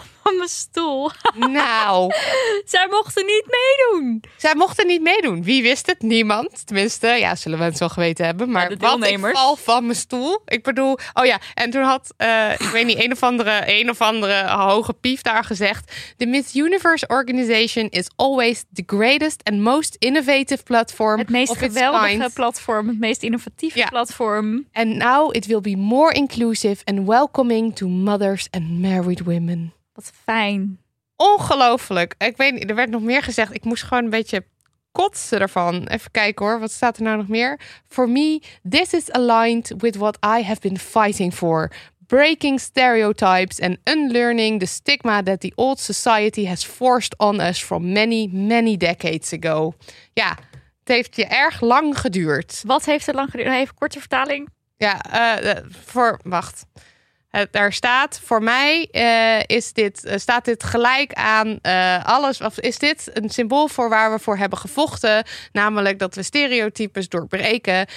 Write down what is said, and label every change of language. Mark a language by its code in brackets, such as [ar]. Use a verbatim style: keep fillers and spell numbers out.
[nl] Van mijn stoel. Nou. Zij mochten niet meedoen. Zij mochten niet meedoen. Wie wist het? Niemand. Tenminste, ja, zullen we het wel geweten hebben. Maar ja, de wat, ik val van mijn stoel. Ik bedoel, oh ja. En toen had, uh, ik weet niet, een of andere, een of andere hoge pief daar gezegd. [en] The Miss Universe organization is always the greatest and most innovative platform. [nl] Het meest of geweldige kind. platform. Het meest innovatieve ja. platform. [en] And now it will be more inclusive and welcoming to mothers and married women. [nl] Wat fijn. Ongelooflijk. Ik weet niet, er werd nog meer gezegd. Ik moest gewoon een beetje kotsen ervan. Even kijken hoor, wat staat er nou nog meer? [en] For me, this is aligned with what I have been fighting for. Breaking stereotypes and unlearning the stigma that the old society has forced on us from many, many decades ago. [nl] Ja, het heeft je erg lang geduurd. Wat heeft het lang geduurd? Even korte vertaling. Ja, uh, voor, wacht. Uh, daar staat, voor mij uh, is dit, uh, staat dit gelijk aan uh, alles. Of is dit een symbool voor waar we voor hebben gevochten? Namelijk dat we stereotypes doorbreken.